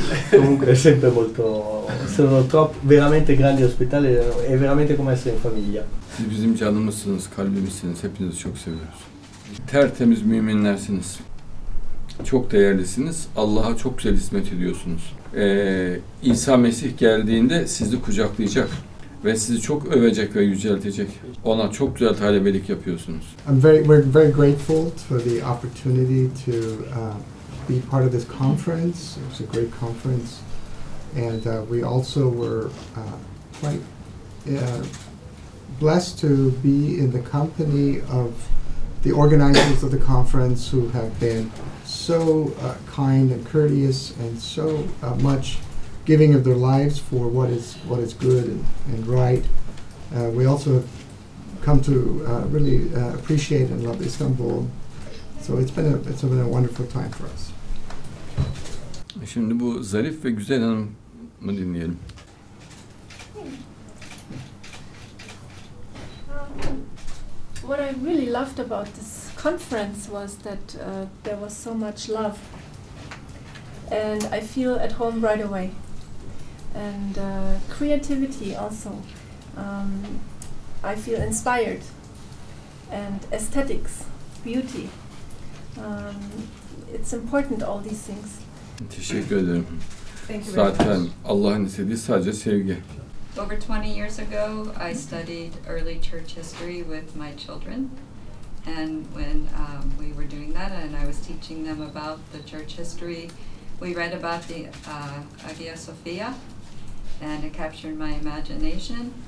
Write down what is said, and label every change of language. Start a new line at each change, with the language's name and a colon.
Italian: Comunque è sempre molto, sono troppo, veramente grandi ospitali, è veramente come essere in famiglia.
Turkish: Siz bizim canımızsınız, kalbimizsiniz. Hepinizi çok seviyoruz. Tertemiz müminlersiniz. Çok değerlisiniz. Allah'a çok güzel hizmet ediyorsunuz. İsa Mesih geldiğinde sizi kucaklayacak ve sizi çok övecek ve yüceltecek. Ona çok güzel talebelik yapıyorsunuz.
English: We're very grateful for the opportunity to be part of this conference. It was a great conference. And we also were quite blessed to be in the company of the organizers of the conference who have been so kind and courteous and so much giving of their lives for what is good and right. We also have come to really appreciate and love Istanbul. So it's been a wonderful time for us.
Turkish: Şimdi bu zarif ve güzel hanımı dinleyelim.
English: What I really loved about this conference was that there was so much love, and I feel at home right away. And creativity also. I feel inspired. And aesthetics, beauty. It's important, all these things.
Turkish: Teşekkür ederim. Zaten Allah'ın istediği sadece sevgi.
English: Over 20 years ago, I studied early church history with my children. And when we were doing that and I was teaching them about the church history, we read about the Hagia Sophia, and it captured my imagination.